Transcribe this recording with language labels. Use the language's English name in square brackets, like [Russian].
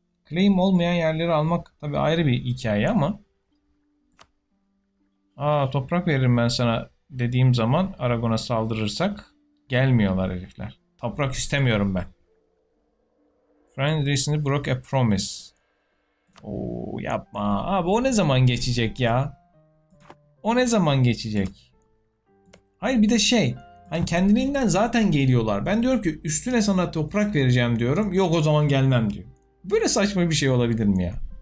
[Turkish] Claim olmayan yerleri almak tabii ayrı bir hikaye ama. Aa, toprak veririm ben sana dediğim zaman Aragorn'a saldırırsak gelmiyorlar herifler. Toprak istemiyorum ben. [English] Friend recently broke a promise. [Turkish] Oo, yapma. Abi o ne zaman geçecek ya? O ne zaman geçecek? Hayır bir de şey. Hani kendiliğinden zaten geliyorlar. Ben diyorum ki üstüne sana toprak vereceğim diyorum. Yok o zaman gelmem diyor. Böyle saçma bir şey olabilir mi ya?